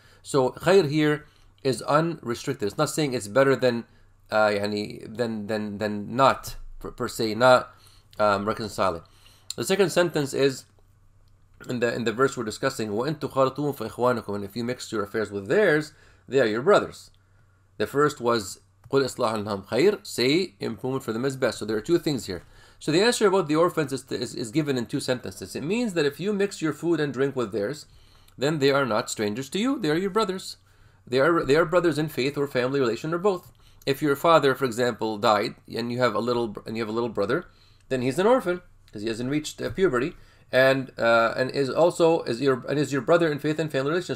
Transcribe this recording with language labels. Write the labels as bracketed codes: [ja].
[en] So khayr here is unrestricted. It's not saying it's better than not per se, not reconciling. The second sentence is in the verse we're discussing. [ar] وَإِن تُخَالَطُوهُمْ فَإِخْوَانُكُمْ. [en] And if you mix your affairs with theirs, they are your brothers. The first was [ar] قُلْ إِصْلَاحٌ لَهُمْ خَيْرٌ. [en] Say improvement for them is best. So there are two things here. So the answer about the orphans is given in two sentences. It means that if you mix your food and drink with theirs, then they are not strangers to you. They are your brothers. They are brothers in faith or family relation or both. If your father, for example, died and you have a little brother, then he's an orphan because he hasn't reached puberty and is your brother in faith and family relation.